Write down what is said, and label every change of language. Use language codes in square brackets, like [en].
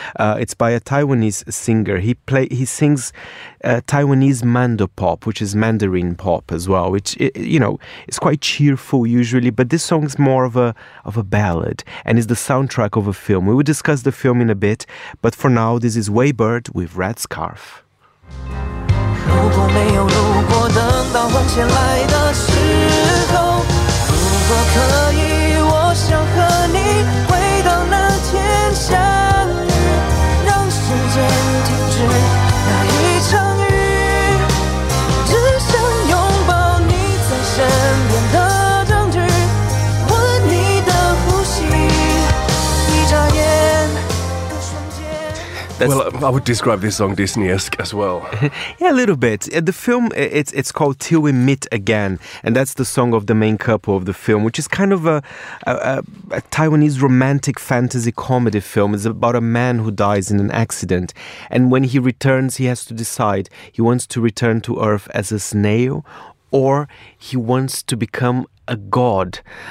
[en] It's by a Taiwanese singer. He sings Taiwanese mandopop, which is Mandarin pop as well, which, you know, it's quite cheerful usually, but this song's more of a ballad and is the soundtrack of a film. We will discuss the film in a bit, but for now, this is Waybird with Red Scarf. [zh] 如果没有路过, 等到往前来的时候, 如果可以, 我想和你回到那天相遇, 让时间停止, 那一场雨, 只想拥抱你在身边的证据, 吻你的呼吸, 一眨眼, 一瞬间, [en] That's well, I would describe this song Disney-esque as well. Yeah, a little bit. The film, it's called Till We Meet Again, and that's the song of the main couple of the film, which is kind of a Taiwanese romantic fantasy comedy film. It's about a man who dies in an accident, and when he returns, he has to decide he wants to return to Earth as a snail or he wants to become a god.